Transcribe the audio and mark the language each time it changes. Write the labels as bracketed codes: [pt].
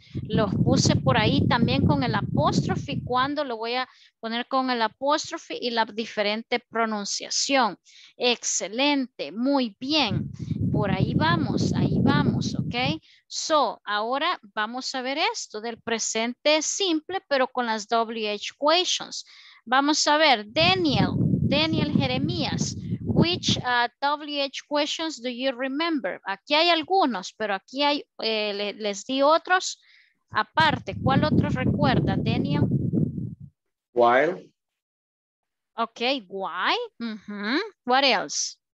[es] Los puse por ahí también con el apóstrofe, cuando lo voy a poner con el apóstrofe y la diferente pronunciación. Excelente, muy bien. Por ahí vamos, ¿ok? So, ahora vamos a ver esto del presente simple, pero con las WH questions. Vamos a ver, [en] Daniel Jeremías, which WH questions do you remember? [es] Aquí hay algunos, pero aquí hay, les di otros aparte. ¿Cuál otro recuerda, Daniel? [en] While. Ok, why. Mm-hmm. What else?